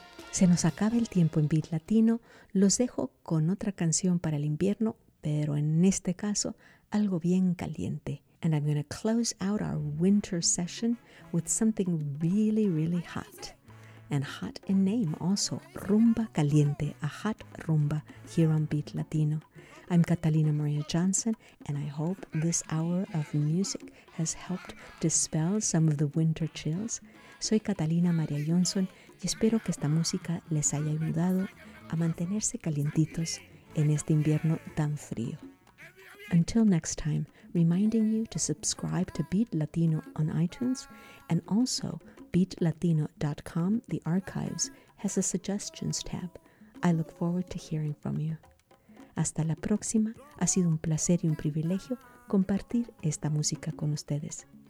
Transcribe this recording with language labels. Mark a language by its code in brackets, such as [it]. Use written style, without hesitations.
[es] Se nos acaba el tiempo en Beat Latino. Los dejo con otra canción para el invierno, pero en este caso, algo bien caliente. [en] And I'm going to close out our winter session with something really, really hot. And hot in name also, Rumba Caliente, a hot rumba here on Beat Latino. I'm Catalina Maria Johnson, and I hope this hour of music has helped dispel some of the winter chills. [es] Soy Catalina Maria Johnson, y espero que esta música les haya ayudado a mantenerse calientitos en este invierno tan frío. [en] Until next time, reminding you to subscribe to Beat Latino on iTunes, and also beatlatino.com, the archives, has a suggestions tab. I look forward to hearing from you. [es] Hasta la próxima, ha sido un placer y un privilegio compartir esta música con ustedes.